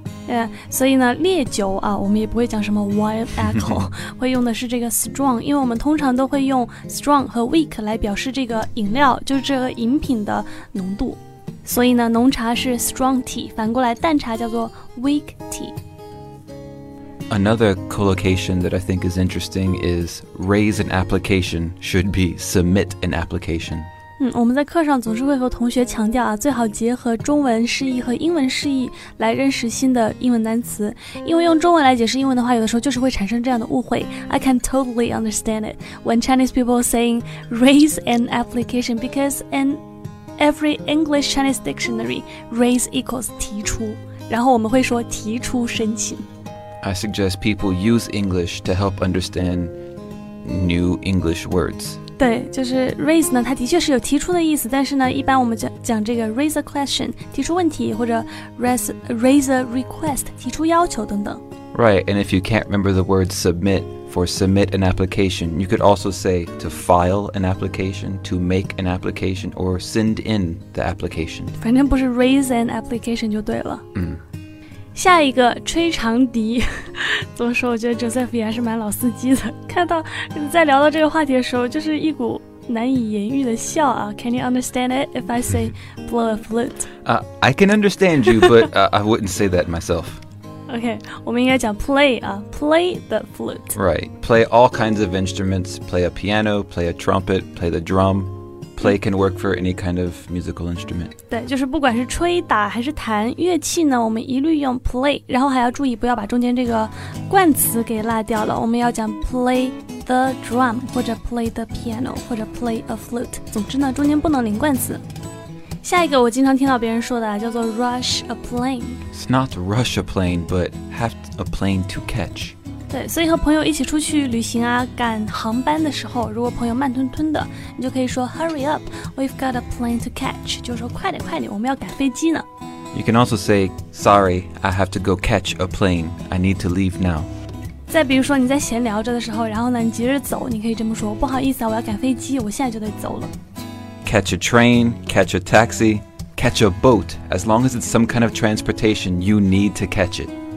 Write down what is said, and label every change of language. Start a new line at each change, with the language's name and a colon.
Chinese: Yeah, 所以呢烈酒啊我们也不会讲什么 wild alcohol, 会用的是这个 strong, 因为我们通常都会用 strong 和 weak 来表示这个饮料就是这个饮品的浓度。所以呢浓茶是 strong tea, 反过来淡茶叫做 weak tea.
English: Another collocation that I think is interesting is raise an application should be submit an application.
Chinese: 我们在课上总是会和同学强调啊，最好结合中文释义和英文释义来认识新的英文单词，因为用中文来解释英文的话，有的时候就是会产生这样的误会。
English: I can totally understand it when Chinese people saying raise an application because in every English Chinese dictionary, raise equals 提出，然后我们会说提出申请。 I suggest people use English to help understand new English words.
Chinese: 对，就是 raise 呢，它的确是有提出的意思，但是呢，一般我们讲这个 raise a question, 提出问题，或者 raise a request, 提出要求等等。
English: Right, and if you can't remember the word submit, for submit an application, you could also say to file an application, to make an application, or send in the application.
Chinese: 反正不是 raise an application 就对了。下一个吹长笛，怎么说？我觉得 Joseph 也还是蛮老司机的。看到在聊到这个话题的时候，就是一股难以言喻的笑啊。
English: Can you understand it if I say blow a flute? I can understand you, but I wouldn't say that myself. Okay, 我们应该讲 play 啊 ，play the flute. Right, play all kinds of instruments. Play a piano, play a trumpet, play the drum. Play can work for any kind of musical instrument.
Chinese: 对，就是不管是吹打还是弹乐器呢，我们一律用 play. 然后还要注意不要把中间这个冠词给落掉了。我们要讲 play the drum 或者 play the piano 或者 play a flute. 总之呢，中间不能连冠词。下一个我经常听到别人说的叫做 rush a plane.
English: It's not rush a plane, but have a plane to catch.
Chinese: 对，所以和朋友一起出去旅行啊，赶航班的时候，如果朋友慢吞吞的，你就可以说 Hurry up, we've got a plane to catch. 就是说快点快点，我们要赶飞机呢。
English: You can also say, Sorry, I have to go catch a plane. I need to leave now.
Chinese: 再比如说你在闲聊着的时候，然后呢你急着走，你可以这么说，不好意思啊，我要赶飞机，我现在就得走了。
English: Catch a train, catch a taxi. catch a boat, as long as it's some kind of transportation, you need to catch it.